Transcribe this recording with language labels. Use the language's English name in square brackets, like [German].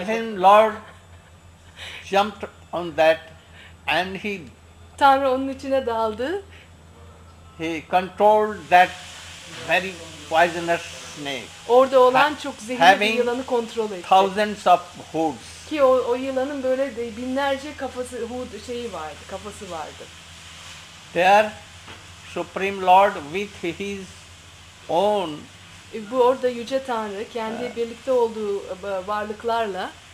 [English] And then Lord jumped on that and he [Turkish] Tanrı onun içine daldı. [English] He controlled that very poisonous snake. [Turkish] Orada olan çok zehirli yılanı kontrol etti. [English] Thousands of hooves. [Turkish] Ki o yılanın böyle de binlerce kafası şeyi vardı, kafası vardı. [English] There, Supreme Lord with his own. [Turkish] Bu orada yüce Tanrı kendi birlikte olduğu varlıklarla.